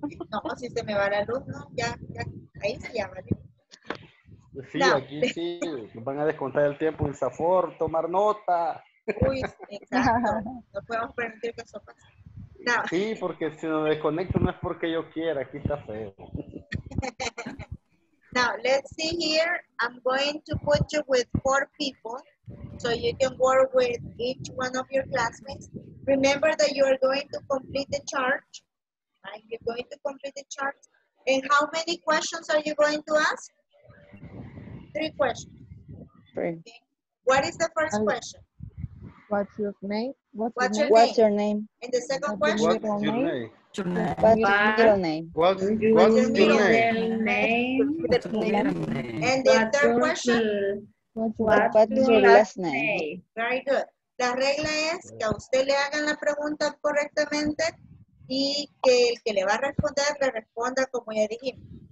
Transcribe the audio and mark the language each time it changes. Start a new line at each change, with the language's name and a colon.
Spanish: No, si se me va la luz, no, ya, ahí se llama. Sí, no. Aquí sí, nos van a descontar el tiempo en Safor, tomar nota. Uy, exacto, no podemos permitir que eso pase. No. Sí, porque si nos desconecto no es porque yo quiera, aquí está feo.
English: Now, let's see here, I'm going to put you with 4 people, so you can work with each one of your classmates. Remember that you are going to complete the chart. You're going to complete the chart. And how many questions are you going to ask? 3 questions. 3. Okay. What is the first question? What's your name? What's your name? And the second question? What's your name? What's your name? And the third question? What's your last name? Very good.
Spanish: La regla es que a usted le hagan la pregunta correctamente y que el que le va a responder le responda como ya dijimos.